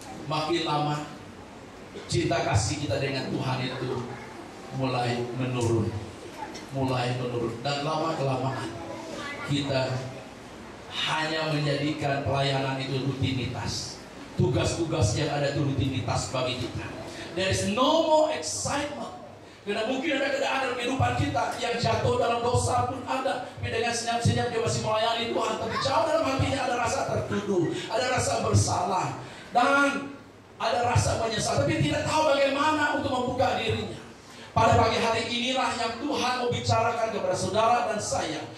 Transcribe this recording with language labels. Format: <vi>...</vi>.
<ms>Makin lama cinta kasih kita dengan Tuhan itu mulai menurun, dan lama-kelamaan kita hanya menjadikan pelayanan itu rutinitas. Tugas-tugas yang ada itu rutinitas bagi kita.</ms> <en>There is no more excitement.</en> <ms>Karena mungkin ada keadaan kehidupan kita yang jatuh dalam dosa pun ada, tapi dengan senyap-senyap dia masih melayani Tuhan. Tapi jauh dalam hatinya ada rasa tertuduh, ada rasa bersalah, dan ada rasa menyesal. Tapi tidak tahu bagaimana untuk membuka dirinya. Pada pagi hari inilah yang Tuhan mau bicarakan kepada saudara dan saya.</ms>